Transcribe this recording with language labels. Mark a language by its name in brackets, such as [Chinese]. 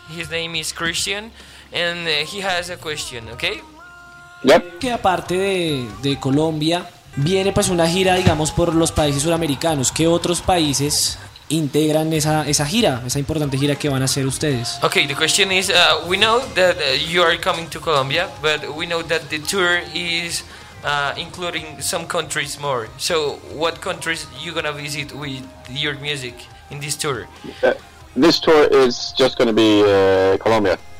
[English] His name is Christian, and he has a question. Okay. Yep. [Spanish] Que aparte de Colombia viene pues una gira, digamos, por los países suramericanos. ¿Qué otros países integran esa gira, esa importante gira que van a hacer ustedes? [English] Okay, the question is, we know that you are coming to Colombia, but we know that the tour is including some countries more. So, what countries you gonna visit with your music in this tour? This tour is just gonna be Colombia.